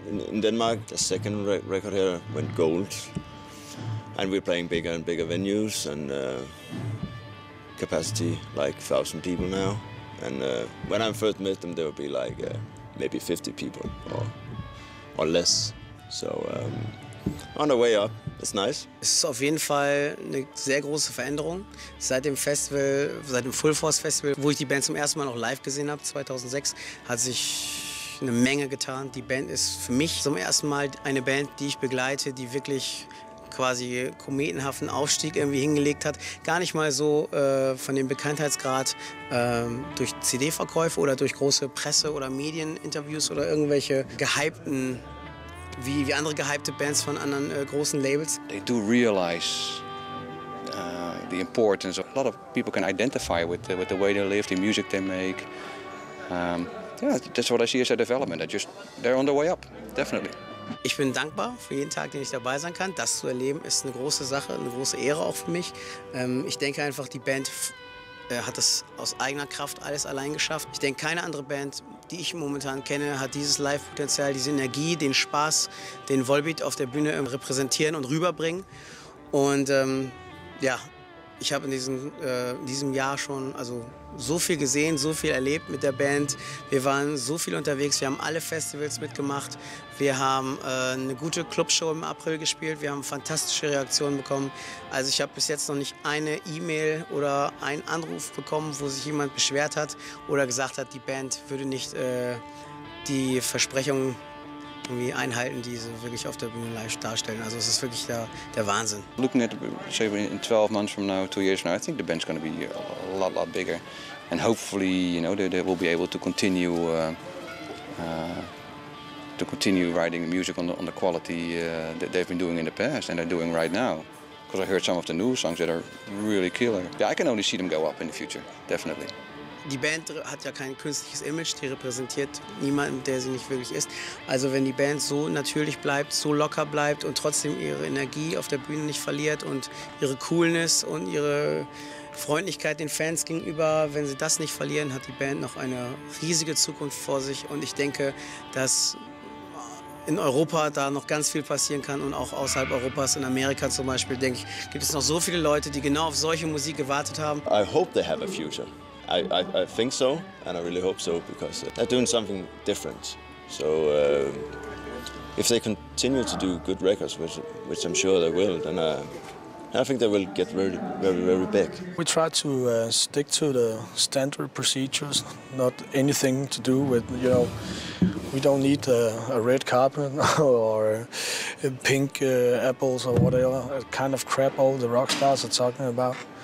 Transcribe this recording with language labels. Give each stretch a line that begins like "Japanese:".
English: In Denmark, the second record here went gold. And we're playing bigger and bigger venues and capacity like 1,000 people now. And when I first met them, there would be like maybe 50 people or less. So on the way up, it's nice.
German: Es ist auf jeden Fall eine sehr große Veränderung seit dem Festival, seit dem Full Force Festival, wo ich die Band zum ersten Mal noch live gesehen habe. 2006 hat sich eine Menge getan. Die Band ist für mich zum ersten Mal eine Band, die ich begleite, die wirklich quasi kometenhaften Aufstieg irgendwie hingelegt hat. Gar nicht mal so von dem Bekanntheitsgrad durch CD-Verkäufe oder durch große Presse- oder Medieninterviews oder irgendwelche gehypten, wie andere gehypte Bands von anderen großen Labels.
English: They do realize the importance. A lot of people can identify with the way they live, the music they make. Yeah, that's what I see as a development. They're on the way up, definitely.
German: Ich bin dankbar für jeden Tag, den ich dabei sein kann. Das zu erleben ist eine große Sache, eine große Ehre auch für mich. Ich denke einfach, die Band hat das aus eigener Kraft alles allein geschafft. Ich denke, keine andere Band, die ich momentan kenne, hat dieses Live-Potenzial, diese Energie, den Spaß, den Volbeat auf der Bühne repräsentieren und rüberbringen. Und ja, ich habe in diesem Jahr schon also so viel gesehen, so viel erlebt mit der Band. Wir waren so viel unterwegs, wir haben alle Festivals mitgemacht. Wir haben eine gute Clubshow im April gespielt, wir haben fantastische Reaktionen bekommen. Also ich habe bis jetzt noch nicht eine E-Mail oder einen Anruf bekommen, wo sich jemand beschwert hat oder gesagt hat, die Band würde nicht die Versprechungen irgendwie einhalten, die sie wirklich auf der Bühne live darstellen. Also es ist wirklich der Wahnsinn.
English: Looking at, say, in 12 months from now, 2 years from now, I think the band's going to be a lot bigger. And hopefully, you know, they will be able to continue writing music on the quality that they've been doing in the past and are doing right now. Because I heard some of the new songs that are really killer. Yeah, I can only see them go up in the future, definitely.
German: Die Band hat ja kein künstliches Image, die repräsentiert niemanden, der sie nicht wirklich ist. Also wenn die Band so natürlich bleibt, so locker bleibt und trotzdem ihre Energie auf der Bühne nicht verliert und ihre Coolness und ihre Freundlichkeit den Fans gegenüber, wenn sie das nicht verlieren, hat die Band noch eine riesige Zukunft vor sich. Und ich denke, dass in Europa da noch ganz viel passieren kann und auch außerhalb Europas, in Amerika zum Beispiel, denke ich, gibt es noch so viele Leute, die genau auf solche Musik gewartet haben.
English: I hope they have a future. I think so, and I really hope so, because they're doing something different. So if they continue to do good records, which I'm sure they will, then I think they will get very, very, very big. We try to stick to the standard procedures, not anything to do with, you know, we don't need a red carpet or pink apples or whatever kind of crap all the rock stars are talking about.